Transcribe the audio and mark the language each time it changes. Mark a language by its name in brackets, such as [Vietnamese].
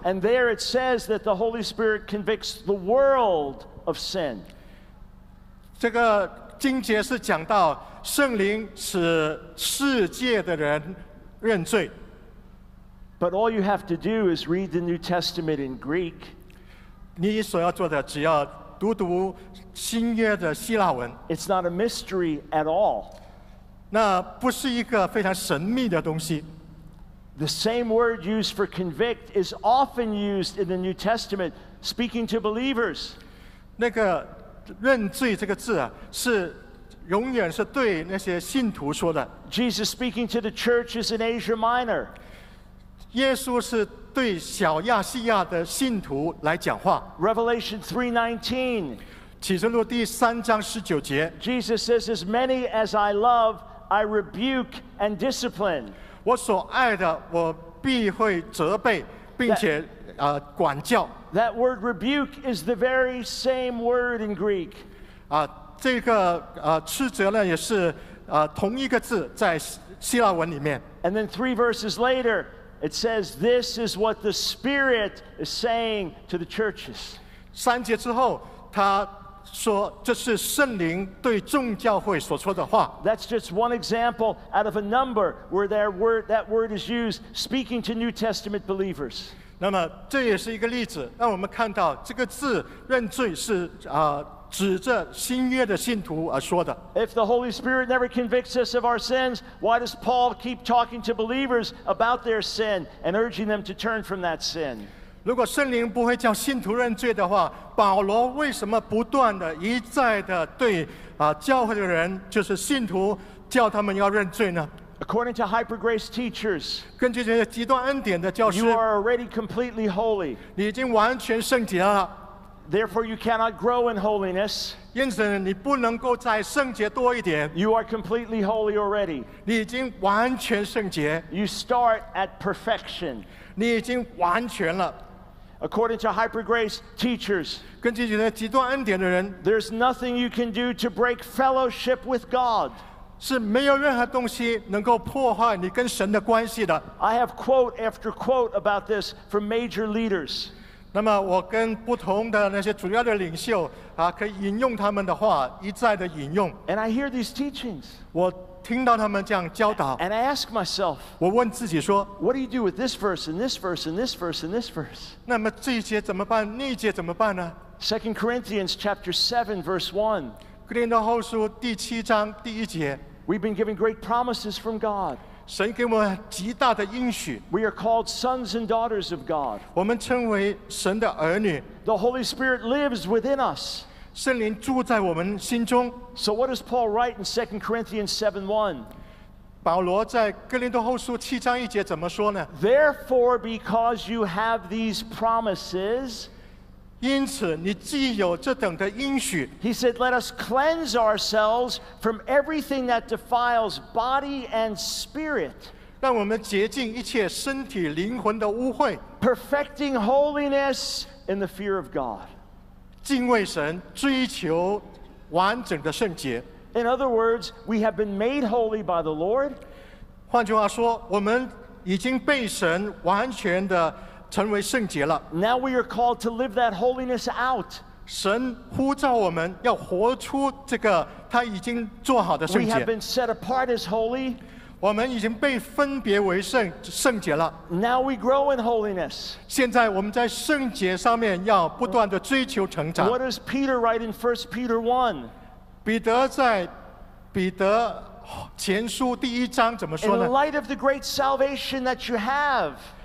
[English] And there it says that the Holy Spirit convicts the world of sin. [Chinese] 这个经节是讲到圣灵使世界的人认罪。 [English] But all you have to do is read the New Testament in Greek. [Chinese] 你所要做的只要读读新约的希腊文。 [English] It's not a mystery at all. [Chinese] 那不是一个非常神秘的东西。 [English] The same word used for convict is often used in the New Testament, speaking to believers. [Chinese] 那个认罪这个字啊，是永远是对那些信徒说的。 [English] Jesus speaking to the churches in Asia Minor. [Chinese] 耶稣是对小亚细亚的信徒来讲话。 [English] Revelation 3:19. [Chinese] 启示录第三章十九节。 [English] Jesus says, "As many as I love, I rebuke and discipline." [Chinese] 我所爱的，我必会责备，并且管教。 [English] That word rebuke is the very same word in Greek. [Chinese] 这个斥责呢也是同一个字在希腊文里面。 [English] And then three verses later, it says, "This is what the Spirit is saying to the churches." [Chinese] 三节之后，他说这是圣灵对众教会所说的话。 [English] That's just one example out of a number where that word is used speaking to New Testament believers. [Chinese] 那么这也是一个例子，让我们看到这个字认罪是指着新约的信徒而说的。 [English] If the Holy Spirit never convicts us of our sins, why does Paul keep talking to believers about their sin and urging them to turn from that sin? [Chinese] 如果圣灵不会叫信徒认罪的话，保罗为什么不断的一再的对教会的人，就是信徒，叫他们要认罪呢？ [English] According to hyper-grace teachers, [Chinese] 根据这些极端恩典的教师， [English] you are already completely holy. [Chinese] 你已经完全圣洁了。 [English] Therefore, you cannot grow in holiness. [Chinese] 因此你不能够再圣洁多一点。 [English] You are completely holy already. [Chinese] 你已经完全圣洁。 [English] You start at perfection. [Chinese] 你已经完全了。 [English] According to hyper-grace teachers, [Chinese] 根据这些极端恩典的人， [English] there's nothing you can do to break fellowship with God. [Chinese] 是没有任何东西能够破坏你跟神的关系的。 [English] I have quote after quote about this from major leaders. [Chinese] 那么我跟不同的那些主要的领袖可以引用他们的话，一再的引用。 [English] And I hear these teachings. [Chinese] 我听到他们这样教导。 [English] And I ask myself. [Chinese] 我问自己说， [English] What do you do with this verse and this verse and this verse and this verse? [Chinese] 那么这一节怎么办？那一节怎么办呢？ [English] 2 Corinthians chapter 7 verse 1. [Chinese] 哥林多后书第七章第一节。 [English] We've been given great promises from God. [Chinese] 神给我们极大的应许。 [English] We are called sons and daughters of God. [Chinese] 我们称为神的儿女。 [English] The Holy Spirit lives within us. [Chinese] 圣灵住在我们心中。 [English] So what does Paul write in 2 Corinthians 7:1? [Chinese] 保罗在哥林多后书七章一节怎么说呢？ [English] Therefore, because you have these promises, [Chinese] 因此你既有这等的应许。 [English] He said, let us cleanse ourselves from everything that defiles body and spirit. [Chinese] 让我们洁净一切身体灵魂的污秽。 [English] Perfecting holiness in the fear of God. [Chinese] 敬畏神，追求完整的圣洁。 [English] In other words, we have been made holy by the Lord. [Chinese] 换句话说，我们已经被神完全的成为圣洁了。 [English] Now we are called to live that holiness out. [Chinese] 神呼召我们要活出这个他已经做好的圣洁。 [English] We have been set apart as holy. [Chinese] 我们已经被分别为圣，圣洁了。 [English] Now we grow in holiness. [Chinese] 现在我们在圣洁上面要不断的追求成长。 [English] What does Peter write in 1 Peter 1? [Chinese] 彼得在彼得前书第一章怎么说呢？ [English] In light of the great salvation that you have,